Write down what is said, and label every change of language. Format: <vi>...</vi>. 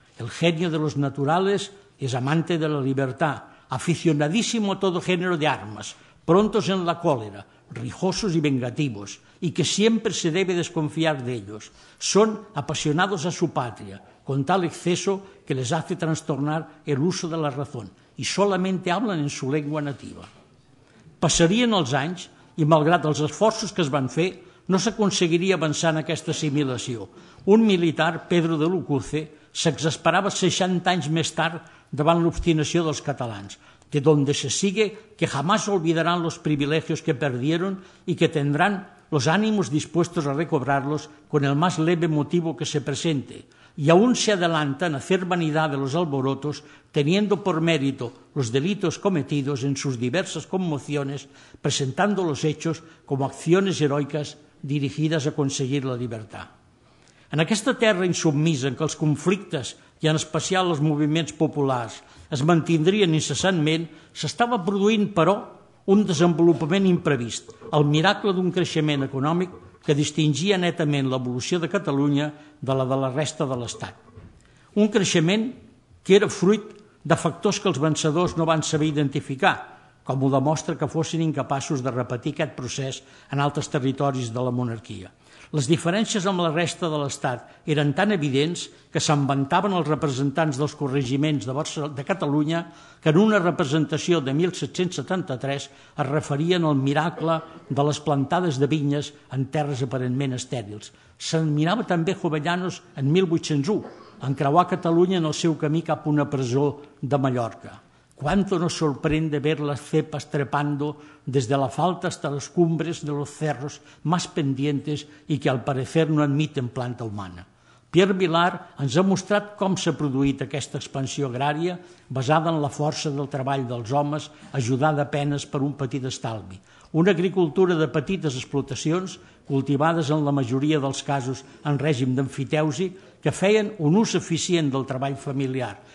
<es>El genio de los naturales es amante de la libertad, aficionadísimo a todo género de armas, prontos en la cólera, rijosos y vengativos, y que siempre se debe desconfiar de ellos. Son apasionados a su patria, con tal exceso que les hace trastornar el uso de la razón, y solamente hablan en su lengua nativa.</es> <ca>Passarien els anys, i malgrat els esforços que es van fer, no s'aconseguiria avançar en aquesta assimilació. Un militar, Pedro de Lucuce, s'exasperava 60 anys més tard davant l'obstinació dels catalans,</ca> <es>de donde se sigue que jamás olvidarán los privilegios que perdieron y que tendrán los ánimos dispuestos a recobrarlos con el más leve motivo que se presente. Y aún se adelantan a hacer vanidad de los alborotos, teniendo por mérito los delitos cometidos en sus diversas conmociones, presentando los hechos como acciones heroicas dirigidas a conseguir la libertad.</es> <ca>En aquesta terra insubmisa en què els conflictes i en especial els moviments populars es mantindrien incessantment, s'estava produint, però, un desenvolupament imprevist, el miracle d'un creixement econòmic que distingia netament l'evolució de Catalunya de la de la resta de l'Estat. Un creixement que era fruit de factors que els vencedors no van saber identificar, com ho demostra que fossin incapaços de repetir aquest procés en altres territoris de la monarquia. Les diferències amb la resta de l'Estat eren tan evidents que s'inventaven els representants dels corregiments de Catalunya que en una representació de 1773 es referien al miracle de les plantades de vinyes en terres aparentment estèrils. S'admirava també Jovellanos en 1801, en creuar Catalunya en el seu camí cap a una presó de Mallorca.</ca> <es>Cuánto nos sorprende ver las cepas trepando desde la falda hasta las cumbres de los cerros más pendientes y que al parecer no admiten planta humana.</es> <ca>Pierre Vilar ens ha mostrat com s'ha produït aquesta expansió agrària basada en la força del treball dels homes ajudada a penes per un petit estalvi. Una agricultura de petites explotacions cultivades en la majoria dels casos en règim d'emfiteusi que feien un ús eficient del treball familiar.</ca>